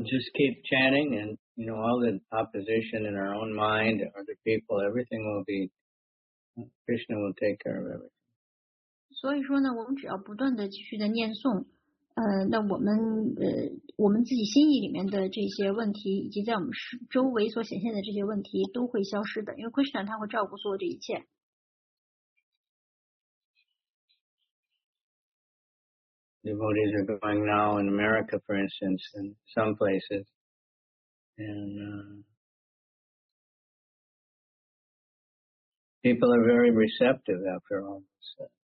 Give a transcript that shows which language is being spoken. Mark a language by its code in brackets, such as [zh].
[en] just keep chanting, and you know all the opposition in our own mind, other people, everything will be. Krishna will take care of everything. [zh] 所以说呢，我们只要不断的继续的念诵，那我们自己心意里面的这些问题，以及在我们周围所显现的这些问题，都会消失的，因为 Krishna 他会照顾所有这一切。 [en] Devotees are going now in America, for instance, in some places, and people are very receptive after all this.